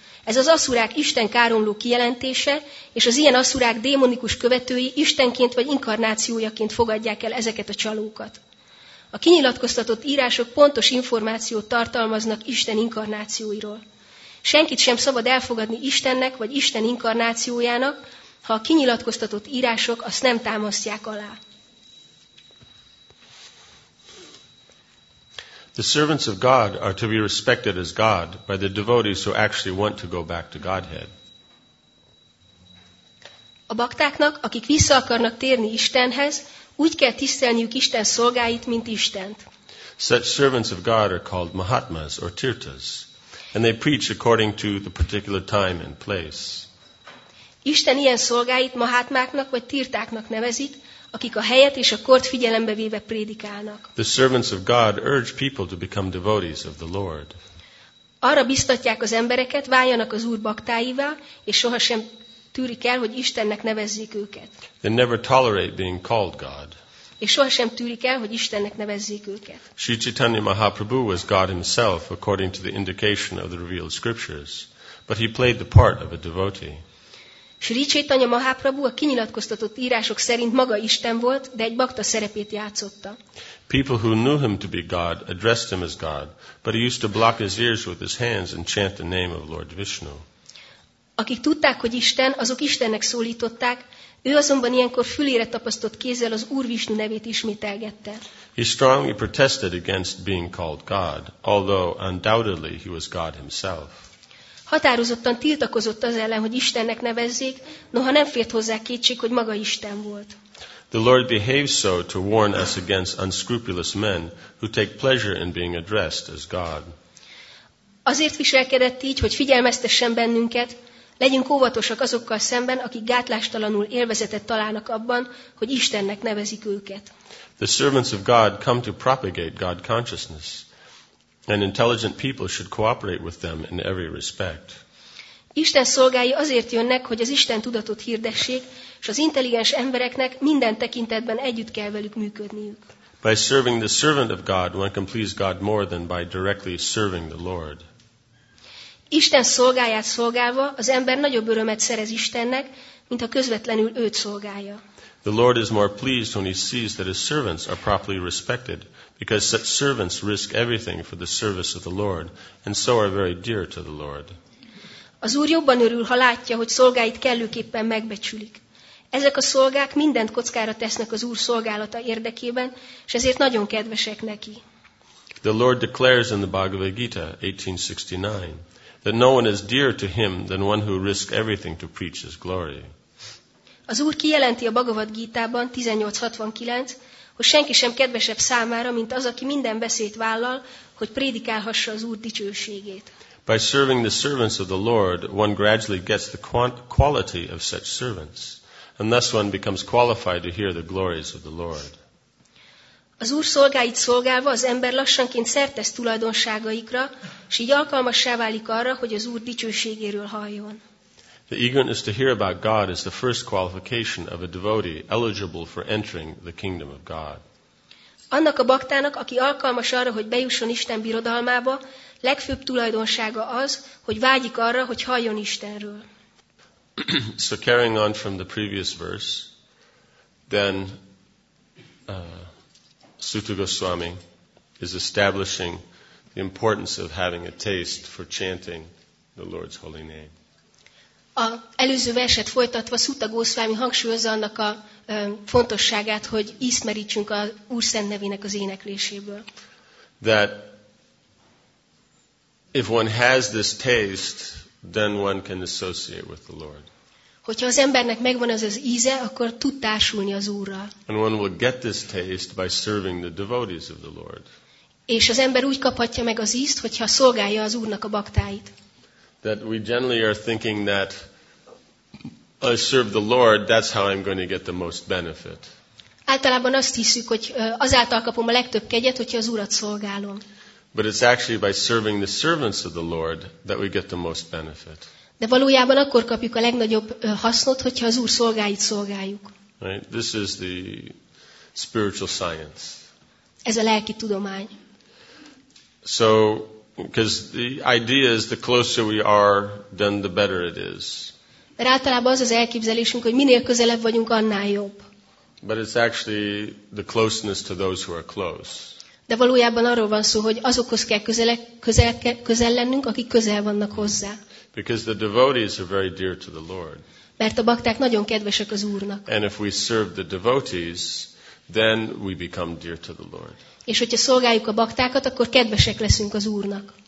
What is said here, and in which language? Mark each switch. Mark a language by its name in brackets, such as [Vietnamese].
[Hungarian] Ez az aszurák Isten káromló kijelentése, és az ilyen aszurák démonikus követői Istenként vagy inkarnációjaként fogadják el ezeket a csalókat. A kinyilatkoztatott írások pontos információt tartalmaznak Isten inkarnációiról. Senkit sem szabad elfogadni Istennek vagy Isten inkarnációjának, ha a kinyilatkoztatott írások azt nem támasztják alá. [English] The servants of God are to be respected as God by the devotees who actually want to go back to Godhead. [Hungarian] A baktáknak, akik vissza akarnak térni Istenhez, úgy kell tisztelniük Isten szolgáit, mint Istent. [English] Such servants of God are called Mahatmas or Tirthas, and they preach according to the particular time and place. [Hungarian] Isten ilyen szolgáit Mahatmáknak vagy Tirtáknak nevezik, akik a helyet és a kort figyelembe véve prédikálnak. [English] The servants of God urge people to become devotees of the Lord. [Hungarian] Arra biztatják az embereket, váljanak az Úr baktáivá, és sohasem tűrik el, hogy Istennek nevezzék őket. [English] They never tolerate being called God. [Hungarian] És sohasem tűrik el, hogy Istennek nevezzék őket. [English] Sri Chaitanya Mahaprabhu was God himself according to the indication of the revealed scriptures, but he played the part of a devotee. [Hungarian] Sri Chaitanya Mahaprabhu a kinyilatkoztatott írások szerint maga Isten volt, de egy bakta szerepét játszotta. [English] People who knew him to be God addressed him as God, but he used to block his ears with his hands and chant the name of Lord Vishnu. [Hungarian] Akik tudták, hogy Isten, azok Istennek szólították, ő azonban ilyenkor fülére tapasztott kézzel az Úr Vishnu nevét ismételgette. [English] He strongly protested against being called God, although undoubtedly he was God himself. [Hungarian] Határozottan tiltakozott az ellen, hogy Istennek nevezzék, noha nem fért hozzá kétség, hogy maga Isten volt. [English] The Lord behaves so to warn us against unscrupulous men who take pleasure in being addressed as God. [Hungarian] Azért viselkedett így, hogy figyelmeztessen bennünket, legyünk óvatosak azokkal szemben, akik gátlástalanul élvezetet találnak abban, hogy Istennek nevezik őket. [English] The servants of God come to propagate God consciousness. And intelligent people should cooperate with them in every respect. [Hungarian] Isten szolgái azért jönnek, hogy az Isten tudatot hirdessék, és az intelligens embereknek minden tekintetben együtt kell velük működniük. [English] By serving the servant of God, one can please God more than by directly serving the Lord. [Hungarian] Isten szolgáját szolgálva, az ember nagyobb örömet szerez Istennek, mint ha közvetlenül őt szolgálja. [English] The Lord is more pleased when he sees that his servants are properly respected, because such servants risk everything for the service of the Lord, and so are very dear to the Lord. [Hungarian] Az Úr jobban örül, ha látja, hogy szolgáit kellőképpen megbecsülik. Ezek a szolgák mindent kockára tesznek az Úr szolgálata érdekében, és ezért nagyon kedvesek neki. [English] The Lord declares in the Bhagavad Gita 18:69 that no one is dearer to him than one who risks everything to preach his glory. [Hungarian] Az Úr kijelenti a Bhagavad Gita-ban 18:69, hogy senki sem kedvesebb számára, mint az, aki minden veszélyt vállal, hogy prédikálhassa az Úr dicsőségét. [English] By serving the servants of the Lord, one gradually gets the quality of such servants, and thus one becomes qualified to hear the glories of the Lord. [Hungarian] Az Úr szolgáit szolgálva az ember lassanként szertesz tulajdonságaikra, és így alkalmassá válik arra, hogy az Úr dicsőségéről halljon. [English] The eagerness to hear about God is the first qualification of a devotee eligible for entering the kingdom of God. [Hungarian] Annak a baktának, aki alkalmas arra, hogy bejusson Isten birodalmába, legfőbb tulajdonsága az, hogy vágyik arra, hogy halljon Istenről. [English] So carrying on from the previous verse, then Suta Goswami is establishing the importance of having a taste for chanting the Lord's holy name. [Hungarian] A előző verset folytatva Suta Goswami hangsúlyozza annak a fontosságát, hogy ismerítsünk az Úr Szent nevének az énekléséből. [English] That if one has this taste, then one can associate with the Lord. [Hungarian] Hogyha az embernek megvan az íze, akkor tud társulni az Úrral. [English] And one will get this taste by serving the devotees of the Lord. [Hungarian] És az ember úgy kaphatja meg az ízt, hogyha szolgálja az Úrnak a baktáit. [English] That we generally are thinking that I serve the Lord, that's how I'm going to get the most benefit. [Hungarian] Általában azt hiszük, hogy azáltal kapom a legtöbb kegyet, hogyha az Urat szolgálom. [English] But it's actually by serving the servants of the Lord that we get the most benefit. [Hungarian] De valójában akkor kapjuk a legnagyobb hasznot, hogyha az Úr szolgáit szolgáljuk. [English] Right? This is the spiritual science. [Hungarian] Ez a lelki tudomány. [English] So, because the idea is the closer we are, then the better it is. [Hungarian] De általában az az elképzelésünk, hogy minél közelebb vagyunk, annál jobb. [English] But it's actually the closeness to those who are close. [Hungarian] De valójában arról van szó, hogy azokhoz kell közel lennünk, akik közel vannak hozzá. [English] Because the devotees are very dear to the Lord. [Hungarian] Mert a bakták nagyon kedvesek az Úrnak. [English] And if we serve the devotees, then we become dear to the Lord. [Hungarian] És hogyha szolgáljuk a baktákat, akkor kedvesek leszünk az Úrnak.